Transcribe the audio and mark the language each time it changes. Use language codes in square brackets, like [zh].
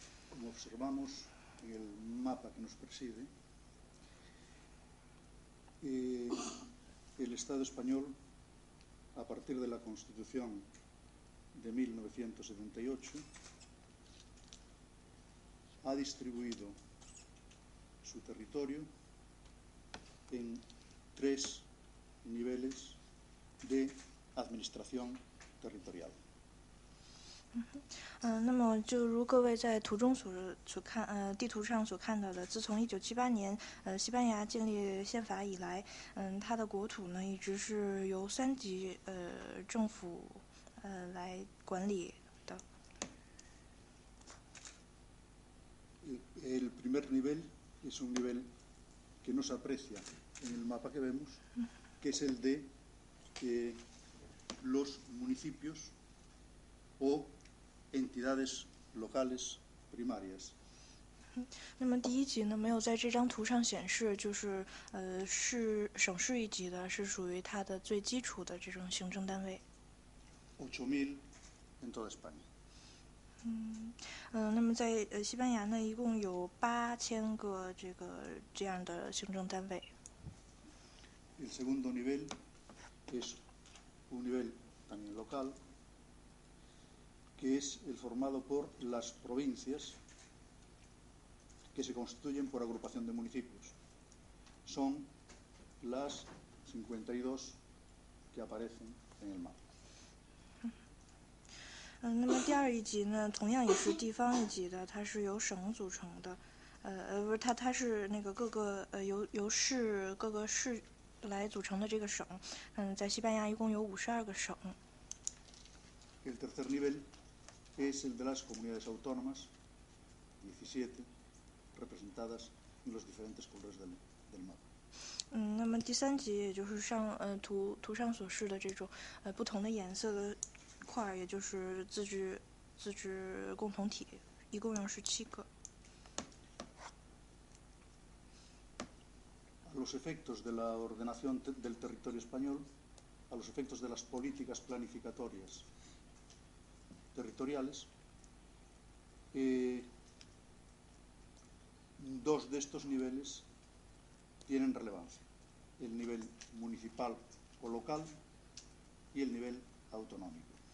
[es] Como observamos en el mapa que nos preside, el Estado español, a partir de la Constitución de 1978, ha distribuido su territorio en tres niveles de administración territorial. [zh] 那么就如各位在图中地图上所看到的，自从1978年西班牙建立宪法以来，它的国土呢一直是由三级政府来管理的。 [es] El primer nivel es un nivel que no se aprecia en el mapa que vemos, que es el de los municipios o entidades locales primarias, [zh] 那么第一级呢，没有在这张图上显示，就是市省市一级的，是属于它的最基础的这种行政单位。 [es] 8000 en toda España。 [zh] 那么在西班牙呢，一共有8000个这样的行政单位。 [es] El segundo nivel es un nivel también local, que es el formado por las provincias. que se constituyen por agrupación de municipios. Son las 52 que aparecen en el mapa. [zh] 那么第二一级呢，同样也是地方一级的，它是由省组成的，不是，它是那个各个由市各个市来组成的这个省。在西班牙一共有52个省。 [es] El tercer nivel es el de las comunidades autónomas, 17. representadas en los diferentes colores del mapa. [zh] 那么第三级也就是上图上所示的这种不同的颜色的块，也就是自治共同体，一共有17个。 [es] A los efectos de la ordenación del territorio español, a los efectos de las políticas planificatorias territoriales, Dos de estos niveles tienen relevancia, el nivel municipal o local y el nivel autonómico.